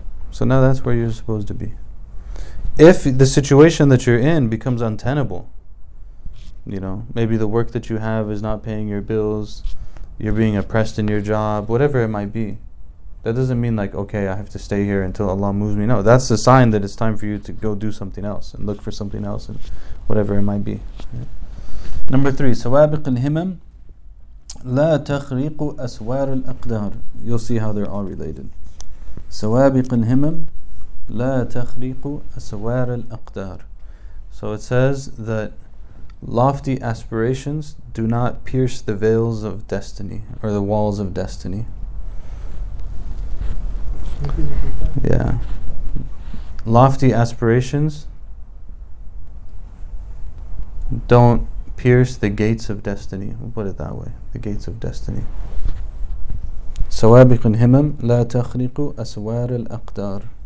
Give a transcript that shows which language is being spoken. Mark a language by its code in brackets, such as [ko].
[en] So now that's where you're supposed to be. If the situation that you're in becomes untenable, you know, maybe the work that you have is not paying your bills, you're being oppressed in your job, whatever it might be. That doesn't mean like, okay, I have to stay here until Allah moves me. No, that's a sign that it's time for you to go do something else and look for something else and whatever it might be. Right. Number three, [ar] سوابق الهمم لا تخريق أسوار الأقدار. [en] You'll see how they're all related. [ar] سوابق الهمم لا تخريق أسوار الأقدار. [en] So it says that lofty aspirations do not pierce the veils of destiny or the walls of destiny. Yeah. Lofty aspirations don't pierce the gates of destiny. We'll put it that way. The gates of destiny. [ar] سوابق الهمم لا تخرق أسوار الأقدار.